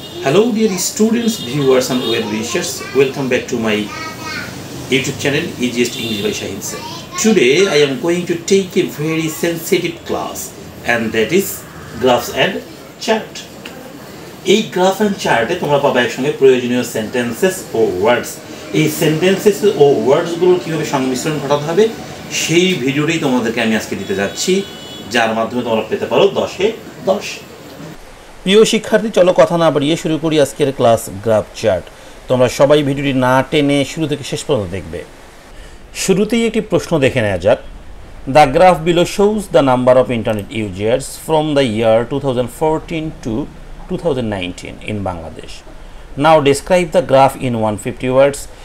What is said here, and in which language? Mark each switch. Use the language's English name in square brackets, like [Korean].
[English] Hello dear students, viewers and well-wishers, welcome back to my YouTube channel Easiest English by Shahin Sir. Today I am going to take a very sensitive class, and that is graphs and chart. [Bangla] এই graph and চার্টে তোমরা পাবে একসঙ্গে প্রয়োজনীয় sentences ও ওয়ার্ডস। এই sentences ও ওয়ার্ডসগুলোর কীভাবে সংমিশ্রণ ঘটাতে হবে সেই ভিডিওটাই তোমাদেরকে আমি আজকে দিতে যাচ্ছি, যার মাধ্যমে তোমরা পেতে পারো 10-এ 10। প্রিয় শিক্ষার্থী, চলো কথা না বাড়িয়ে শুরু করি আজকের ক্লাস গ্রাফ চার্ট। তোমরা সবাই ভিডিওটি না টেনে শুরু থেকে শেষ পর্যন্ত দেখবে। শুরুতেই একটি প্রশ্ন দেখে নেওয়া যাক। [English] The graph below shows the number of internet users from the year 2014 to 2019 in Bangladesh. Now describe the graph in 150 words.